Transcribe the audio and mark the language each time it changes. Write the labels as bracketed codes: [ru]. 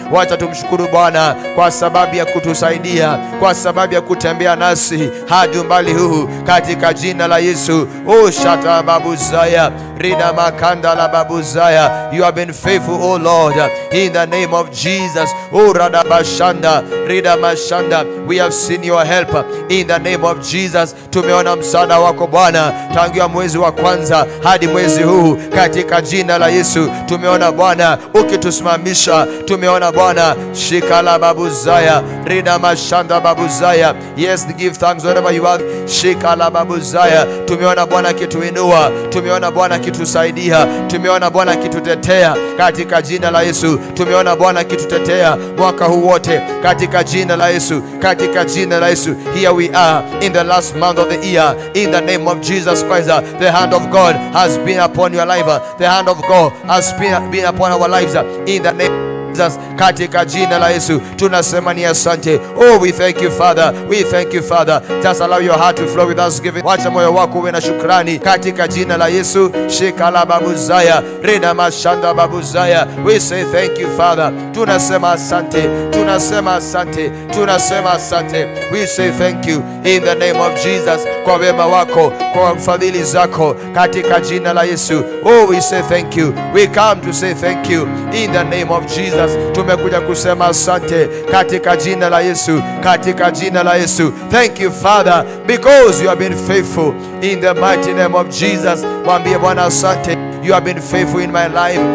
[sw] Wacha tumshukuru Bwana kwa sababu ya kutusaidia, kwa sababu ya kutembea nasi hadi mbali huu katika jina la Yesu. O shata babuzaya, rida makanda la babuzaya. [en] You have been faithful, O Lord, in the name of Jesus. O rada bashanda, rida Shanda, we have seen your help in the name of Jesus. [sw] Tumeona msaada wako Bwana tangia mwezi wa kwanza hadi mwezi huu katika jina la Yesu. Tumeona Bwana ukitusimamisha. Tumeona Bwana shikala babuzaya, rida mashanda babuzaya. [en] Yes, give thanks whatever you have. Shikala babuzaya. [sw] Tumeona Bwana kituinua. Tumeona Bwana kitusaidia. Tumeona Bwana kitutetea katika jina la Yesu. Tumeona Bwana kitutetea mwaka huu wote katika jina la Yesu. Katika jina la Yesu. [en] Here we are in the last month of the year, in the name of Jesus Christ. The hand of God has been upon your life. The hand of God has been upon our lives, in the name of Jesus. [sw] Katika jina la Yesu. Tunasema ni asante. [en] Oh, we thank you, Father. We thank you, Father. Just allow your heart to flow with us giving. [sw] Wacha moyo wako uwe na shukrani. Katika jina la Yesu. Shika la babuzaya, rida mashanda babuzaya. [en] We say thank you, Father. [sw] Tunasema asante. Tunasema asante. Tunasema asante. [en] We say thank you in the name of Jesus. [sw] Kwa wema wako, kwa fadhili zako, katika jina la Yesu. [en] Oh, we say thank you. We come to say thank you in the name of Jesus. [sw] Tumekuja kusema asante katika jina la Yesu. Katika jina la Yesu. [en] Thank you, Father, because you have been faithful in the mighty name of Jesus. [sw] Mwambie Bwana asante. [en] You have been faithful in my life.